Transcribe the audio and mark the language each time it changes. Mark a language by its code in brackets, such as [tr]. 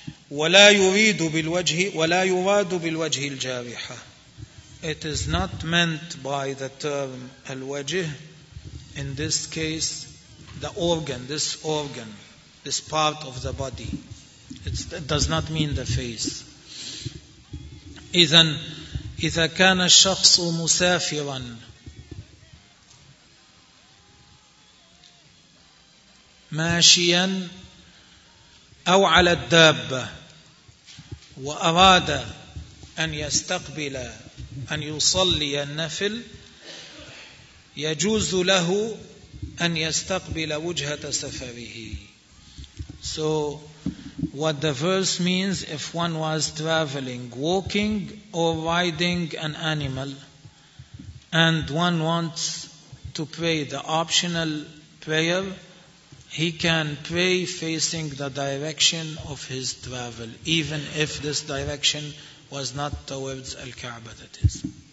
[ar] وَلَا يُرِيدُ بِالْوَجْهِ وَلَا يُرَادُ بِالْوَجْهِ الْجَارِحَةِ. [en] It is not meant by the term al-wajh, in this case, the organ, this part of the body. It does not mean the face. [ar] إِذَنْ إِذَا كَانَ الشَّخْصُ مُسَافِرًا مَاشِيًا أو على الدابة وأراد أن يستقبل أن يصلي النفل، يجوز له أن يستقبل وجهة سفره. [en] So what the verse means, if one was traveling, walking or riding an animal, and one wants to pray the optional prayer, he can pray facing the direction of his travel, even if this direction was not towards Al-Kaaba, that is.